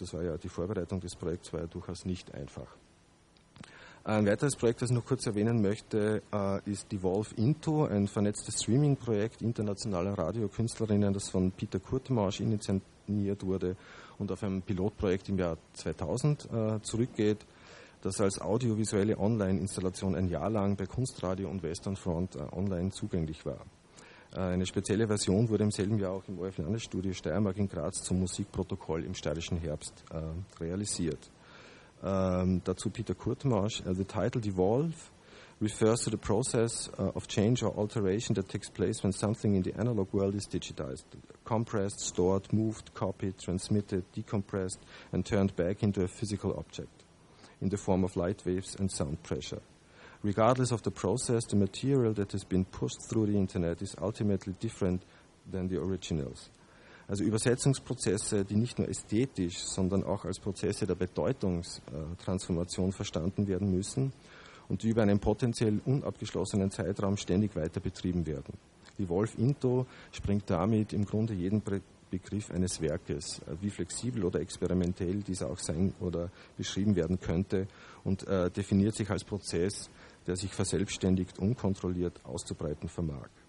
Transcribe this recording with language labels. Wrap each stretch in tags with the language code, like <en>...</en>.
<de>Das war ja, die Vorbereitung des Projekts war ja durchaus nicht einfach. Ein weiteres Projekt, das ich noch kurz erwähnen möchte, ist Devolve Into, ein vernetztes Streaming-Projekt internationaler Radiokünstlerinnen, das von Peter Kurtemarsch initiiert wurde und auf einem Pilotprojekt im Jahr 2000 zurückgeht, das als audiovisuelle Online-Installation ein Jahr lang bei Kunstradio und Western Front online zugänglich war. Eine spezielle Version wurde im selben Jahr auch im ORF-Landesstudio Steiermark in Graz zum Musikprotokoll im steirischen Herbst realisiert. Dazu Peter Kurtemarsch.</de> <en>The title Devolve refers to the process of change or alteration that takes place when something in the analog world is digitized, compressed, stored, moved, copied, transmitted, decompressed and turned back into a physical object in the form of light waves and sound pressure. Regardless of the process, the material that has been pushed through the internet is ultimately different than the originals.</en> <de>Also Übersetzungsprozesse, die nicht nur ästhetisch, sondern auch als Prozesse der Bedeutungstransformation verstanden werden müssen und die über einen potenziell unabgeschlossenen Zeitraum ständig weiter betrieben werden. Die Wolf Into springt damit im Grunde jeden Begriff eines Werkes, wie flexibel oder experimentell dieser auch sein oder beschrieben werden könnte, und definiert sich als Prozess, der sich verselbstständigt, unkontrolliert auszubreiten vermag.</de>